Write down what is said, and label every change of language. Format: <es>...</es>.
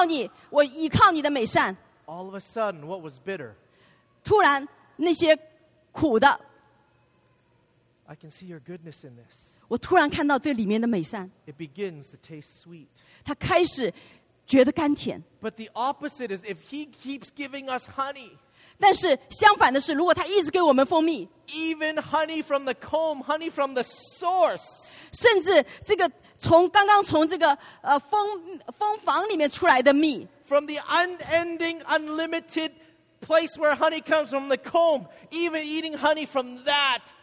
<zh>我不否认你的应许，我倚靠你，我倚靠你的美善。</zh> <en>All of a sudden, what was bitter?</en> <zh>突然那些苦的。</zh> <en>I can see your goodness in this.</en> <zh>我突然看到这里面的美善。</zh> <en>It begins to taste sweet.</en> <zh>它开始。</zh> <en>But the opposite is if he keeps giving us honey.</en> <zh>但是相反的是, 如果他一直给我们蜂蜜,</zh> <en>even honey from the comb, honey from the source.</en> <zh>甚至这个从刚刚从这个, 蜂房里面出来的蜜,</zh> <en>from the unending, unlimited place where honey comes from the comb, even eating honey from that.</en>